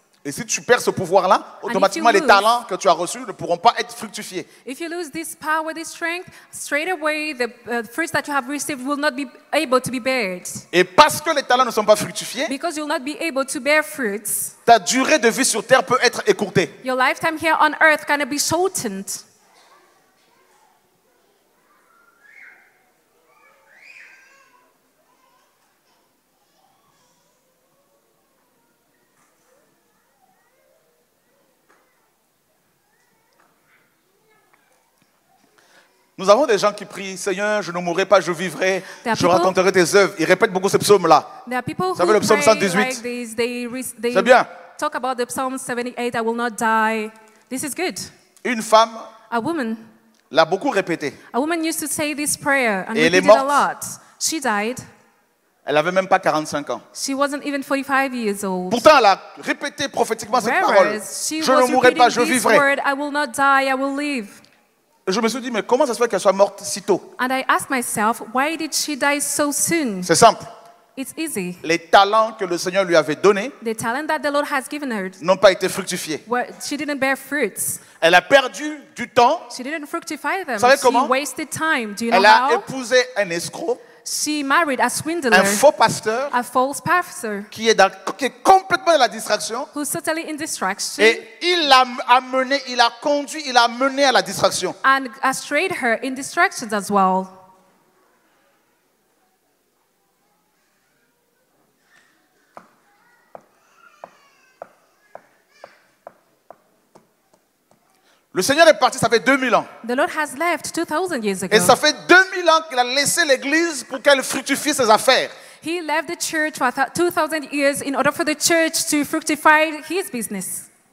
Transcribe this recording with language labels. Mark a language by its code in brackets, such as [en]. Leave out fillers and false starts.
[fr] Et si tu perds ce pouvoir-là, automatiquement les talents que tu as reçus ne pourront pas être fructifiés. [en] If you lose this power, this strength, straight away the fruits that you have received will not be able to be bared. [fr] Et parce que les talents ne sont pas fructifiés, [en] because you'll not be able to bear fruits, [fr] ta durée de vie sur terre peut être écourtée. [en] Your lifetime here on earth can be shortened. [fr] Nous avons des gens qui prient, Seigneur, je ne mourrai pas, je vivrai, je raconterai tes œuvres. Ils répètent beaucoup ce psaume-là. Vous savez le psaume 118. C'est bien. [en] Talk about the psalm 78, I will not die. This is good. [fr] Une femme [en] a woman [fr] l'a beaucoup répété. [en] A woman used to say this prayer and [fr] et elle est morte. [en] She died. [fr] Elle n'avait même pas 45 ans. [en] She wasn't even 45 years old. [fr] Pourtant, elle a répété prophétiquement [en] whereas [fr] cette parole. Je ne mourrai pas, je vivrai. [en] Word, I will not die, I will live. [fr] Je me suis dit, mais comment ça se fait qu'elle soit morte si tôt? [en] And I asked myself, why did she die so soon? [fr] C'est simple. [en] It's easy. [fr] Les talents que le Seigneur lui avait donnés, [en] the talent that the Lord has given her, [fr] n'ont pas été fructifiés. [en] Well, she didn't bear fruits. [fr] Elle a perdu du temps. [en] She didn't fructify them. [fr] Vous savez comment? [en] She wasted time. Do you [fr] elle [en] know how? [fr] Elle a épousé un escroc. [en] She married a swindler, [fr] un faux pasteur, [en] a false pastor, [fr] qui est complètement dans la distraction, [en] who's totally in distraction, [fr] et il l'a amené, il l'a conduit, il l'a amené à la distraction, [en] and astrayed her in distractions as well. [fr] Le Seigneur est parti, ça fait 2000 ans. [en] The Lord has left 2000 years ago. [fr] Et ça fait 2000 ans qu'il a laissé l'église pour qu'elle fructifie ses affaires. [en] He left the church for 2000 years in order for the church to fructify his business.